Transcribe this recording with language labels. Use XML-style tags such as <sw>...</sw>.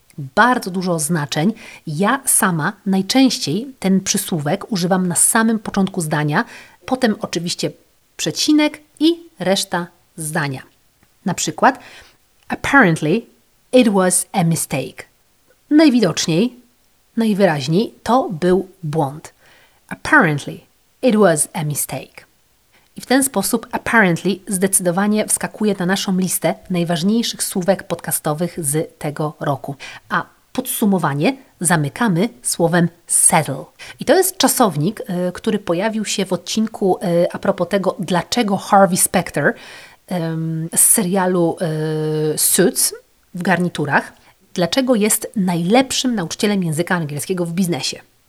<pl>Bardzo dużo znaczeń. Ja sama najczęściej ten przysłówek używam na samym początku zdania, potem oczywiście przecinek i reszta zdania. Na przykład</pl> <en>apparently it was a mistake.</en> <pl>Najwidoczniej, najwyraźniej to był błąd.</pl> <en>Apparently it was a mistake.</en> <pl>I w ten sposób apparently zdecydowanie wskakuje na naszą listę najważniejszych słówek podcastowych z tego roku. A podsumowanie zamykamy słowem settle. I to jest czasownik, który pojawił się w odcinku a propos tego, dlaczego Harvey Specter z serialu Suits w garniturach, dlaczego jest najlepszym nauczycielem języka angielskiego w biznesie.</pl>